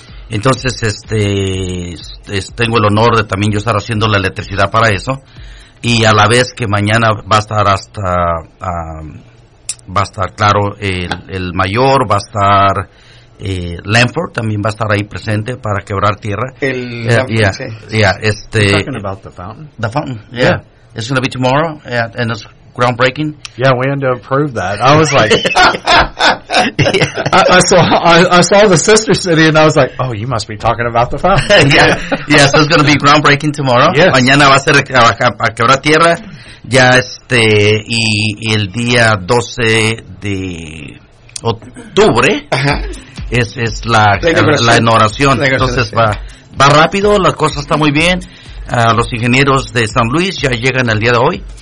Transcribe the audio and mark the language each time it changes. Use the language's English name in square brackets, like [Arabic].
[Spanish] Entonces, tengo el honor de también yo estar haciendo la electricidad para eso. Y a la vez que mañana va a estar claro, el mayor, va a estar Lamport, también va a estar ahí presente para quebrar tierra. El [English] talking about the fountain. The fountain, yeah. It's going to be tomorrow, and it's groundbreaking. Yeah, we had to approve that. I was like... Yeah. I saw the sister city and I was like, oh, you must be talking about the fountain. Yeah, so it's going to be groundbreaking tomorrow. Yes. [Spanish] Mañana va a ser a quebrar tierra. Ya y el día 12 de octubre es la inauguración. Entonces va rápido, la cosa está muy bien. Los ingenieros de San Luis ya llegan el día de hoy.